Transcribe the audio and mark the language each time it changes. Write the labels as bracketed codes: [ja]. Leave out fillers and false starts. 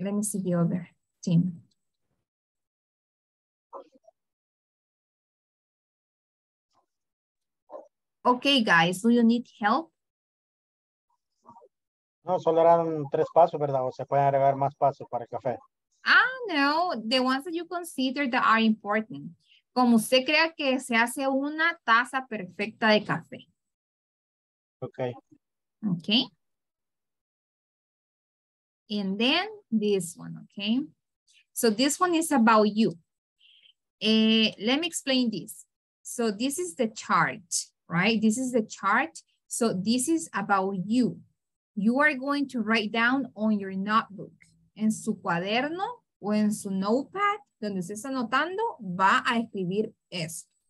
[en] Let me see the other team. Okay, guys, do you need help? [es] No, solo eran tres pasos, ¿verdad? O se pueden agregar más pasos para el café. [en] Ah, no, the ones that you consider that are important. [es] Como usted crea que se hace una taza perfecta de café. [en] Okay. Okay. And then this one, okay? So this one is about you. Let me explain this. So this is the chart. Right? This is the chart. So this is about you. You are going to write down on your notebook. [es] En su cuaderno o en su notepad, donde usted está anotando, va a escribir esto.